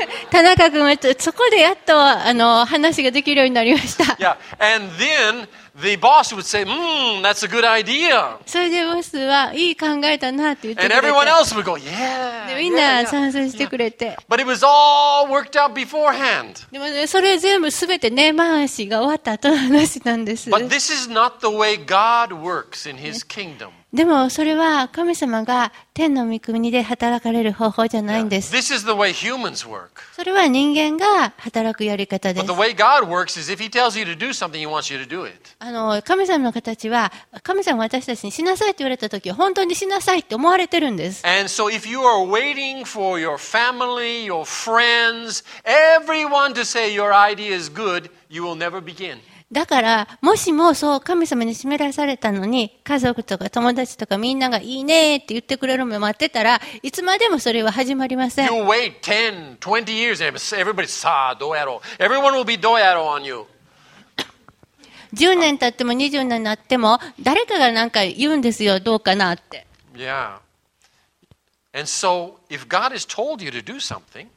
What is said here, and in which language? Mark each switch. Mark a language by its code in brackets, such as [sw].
[ja] 田中君は、そこでやっと、話ができるようになりました。 [en] Yeah. And then the boss would say, that's a good idea. [ja] それでボスは、いい考えだなって言ってくれて。 [en] And everyone else would go, yeah. [ja] で、みんな賛成してくれて。 [en] Yeah. But it was all worked out beforehand. [ja] でもね、それ全部すべて根回しが終わった後の話なんです。 [en] But this is not the way God works in his kingdom. [ja] でもそれは神様が天の御国で働かれる方法じゃないんです。 [en] Yeah. This is the way humans work. [ja] それは人間が働くやり方です。 [en] But the way God works is if he tells you to do something, he wants you to do it. [ja] 神様の形は、神様は私たちにしなさいと言われた時、本当にしなさいって思われてるんです。 [en] And so if you are waiting for your family, your friends, everyone to say your idea is good, you will never begin. [ja] だからもしもそう神様に示されたのに家族とか友達とかみんながいいねって言ってくれるのを待ってたらいつまでもそれは始まりません。 [en] You wait 10, 20 years, everybody [ja] さあどうやろう。 [en] Everyone will be [ja] どうやろう [en] on you. [ja] 10年経っても20年になっても誰かがなんか言うんですよどうかなって。 [en] Yeah. And so if God has told you to do something.